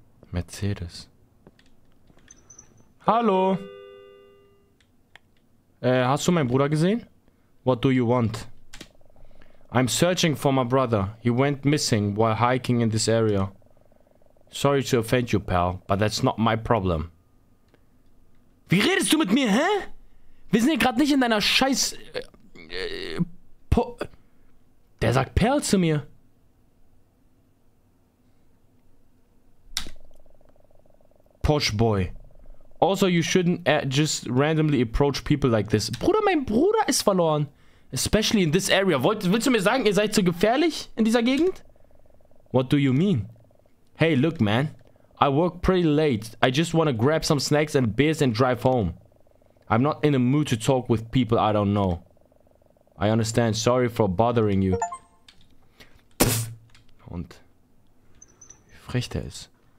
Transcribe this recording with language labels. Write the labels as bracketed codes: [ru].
[de] Mercedes. Hallo. Hast du meinen Bruder gesehen? [en] What do you want? I'm searching for my brother. He went missing while hiking in this area. Sorry to offend you, pal, but that's not my problem. [de] Wie redest du mit mir, hä? Wir sind hier gerade nicht in deiner scheiß... Der sagt Perl zu mir. [en] Posh boy. Also, you shouldn't just randomly approach people like this. [de] Bruder, mein Bruder ist verloren. [en] Especially in this area. [de] Willst du mir sagen, ihr seid zu gefährlich in dieser Gegend? [en] What do you mean? Hey, look, man. I work pretty late. I just want to grab some snacks and beers and drive home. I'm not in a mood to talk with people I don't know. I understand. Sorry for bothering you. [de] Und wie frech der ist.